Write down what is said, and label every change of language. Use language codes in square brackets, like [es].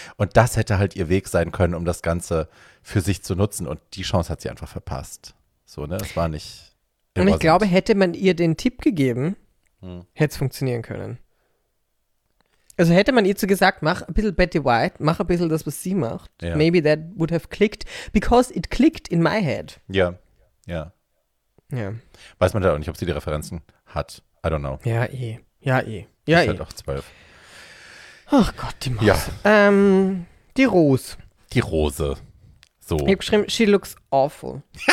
[de] Und das hätte halt ihr Weg sein können, um das Ganze für sich zu nutzen und die Chance hat sie einfach verpasst. So, ne? Es war nicht immer. Und ich glaube, hätte man ihr den Tipp gegeben, hätte es funktionieren können. Also hätte man ihr zu gesagt, mach ein bisschen Betty White, mach ein bisschen das, was sie macht. [en] Yeah. Maybe that would have clicked, because it clicked in my head. [de] Ja, ja. Ja. Weiß man da auch nicht, ob sie die Referenzen hat. [en] I don't know. [de] Ja, eh. Ja, eh. Ja, ist eh. Halt auch 12. Ach Gott, die Maus. Ja. Die Rose. Die Rose. So. Ich hab geschrieben, [en] she looks awful.